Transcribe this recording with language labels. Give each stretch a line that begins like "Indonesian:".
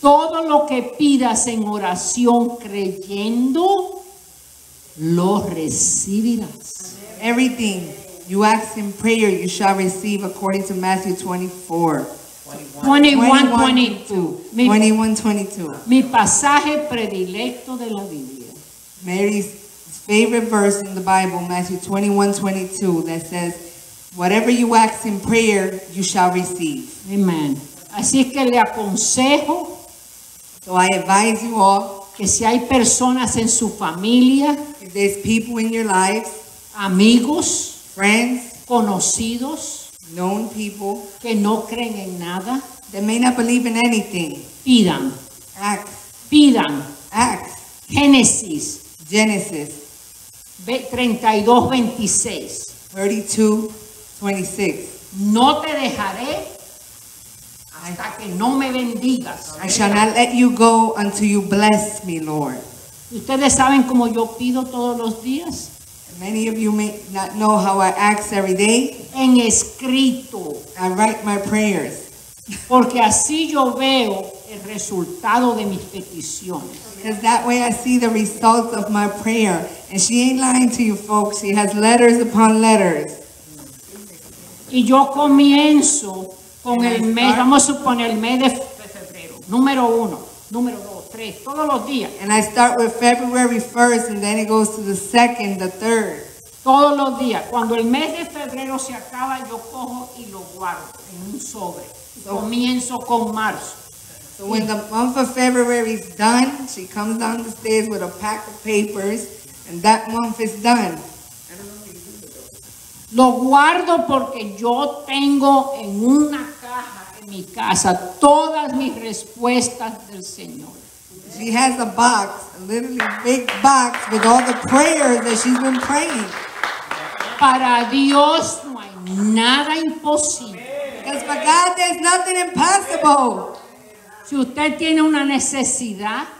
Spanish: Todo lo que pidas en oración creyendo, lo recibirás.
English: Everything you ask in prayer, you shall receive according to Matthew 21:22.
Spanish: Mi pasaje predilecto de la Biblia.
English: Mary's favorite verse in the Bible, Matthew 21:22, that says, whatever you ask in prayer, you shall receive.
Spanish: Amen. Así que le aconsejo.
English: So I advise you all.
Spanish: Que si hay personas en su familia.
English: If there's people in your lives.
Spanish: Amigos,
English: friends,
Spanish: conocidos,
English: known people,
Spanish: que no creen en nada,
English: they may not believe in anything.
Spanish: Pidan,
English: act.
Spanish: Pidan,
English: act.
Spanish: Génesis,
English: Genesis,
Spanish: 32:26.
English: 32:26.
Spanish: No te dejaré hasta que no me bendigas.
English: I shall not let you go until you bless me, Lord.
Spanish: Ustedes saben cómo yo pido todos los días.
English: Many of you may not know how I ask every day.
Spanish: En escrito.
English: I write my prayers.
Spanish: Porque así yo veo el resultado de mis peticiones.
English: Because that way I see the results of my prayer. And she ain't lying to you folks. She has letters upon letters.
Spanish: Y yo comienzo con el mes, vamos a suponer el mes de febrero. Número uno. Número dos, tres, todos los días.
English: And I start with February 1st and then it goes to the 2nd, the 3rd.
Spanish: Todos los días. Cuando el mes de febrero se acaba, yo cojo y lo guardo en un sobre. So, comienzo con marzo.
English: So when the month of February is done, she comes down the stairs with a pack of papers, and that month is done.
Spanish: Lo guardo porque yo tengo en una caja en mi casa todas mis respuestas del Señor.
English: She has a box, a literally big box, with all the prayers that she's been praying.
Spanish: Para Dios no hay nada imposible.
English: Because for God there's nothing impossible.
Spanish: Si usted tiene una necesidad,